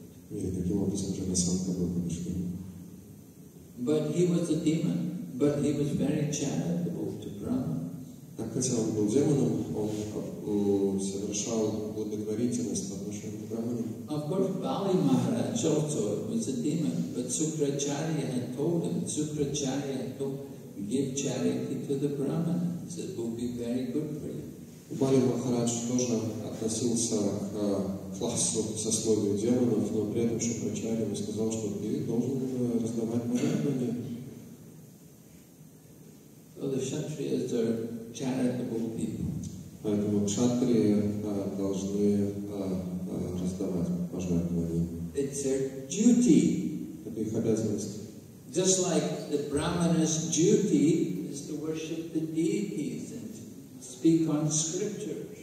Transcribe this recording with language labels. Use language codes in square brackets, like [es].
[ru] И таким образом Джарасандха был побежден. [en] But he was a demon, but he was very charitable to Brahmans. [ru] Так, хотя он был демоном, он совершал благотворительность по отношению к Брахманам. [en] Of course, Bali Maharaj also was a demon, but Sukracharya had told him, Sukracharya had told him, give charity to the Brahmanas, it will be very good for you. [ru] Bali Maharaj тоже относился к сословию демонов, но при этом Шукрачарья сказал, что ты должен раздавать пожертвования. [en] So the Kshatriyas are charitable people. [ru] Поэтому кшатрии должны раздавать пожертвования. [en] It's their duty. [ru] Это их обязанность. [en] Just like the brahmana's duty is to worship the deities and speak on scriptures.